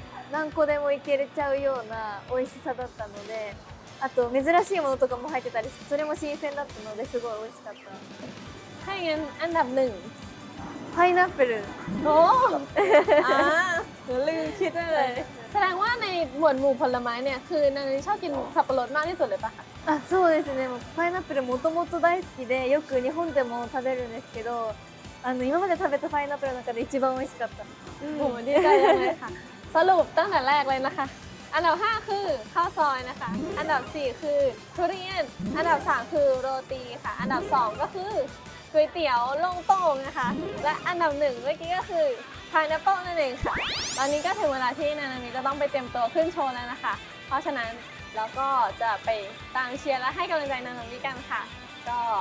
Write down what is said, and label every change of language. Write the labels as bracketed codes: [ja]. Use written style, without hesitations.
[ja] 何個でもいけれちゃうような美味しさだったのであと珍しいものとかも入ってたりして、それも新鮮だったのですごい美味しかった。はい、アンダム。パイナップル。おお。 [th] ああ、ลืมคิดไปเลย。แสดงว่าในหมวดหมู่ผลไม้เนี่ยคือนางชอบกินสับปะรดมากที่สุดเลยป่ะ [ja] คะอ่ะそうですねパイナップルもともと大好きでよく日本でも食べるんですけど今まで食べたパイナップルの中で一番美味しかった [th] โอ้ดีใจเลยค่ะสรุปตั้งแต่แรกเลยนะคะอันดับ5คือข้าวซอยนะคะอันดับ4คือทุเรียนอันดับ3คือโรตีค่ะอันดับ2ก็คือก๋วยเตี๋ยวลงโต่งนะคะและอันดับ1เมื่อกี้ก็คือพายนัปเปิลนั่นเองค่ะตอนนี้ก็ถึงเวลาที่นานามิจะต้องไปเตรียมตัวขึ้นโชว์แล้วนะคะเพราะฉะนั้นเราก็จะไปตามเชียร์และให้กำลังใจนานามิกันค่ะก็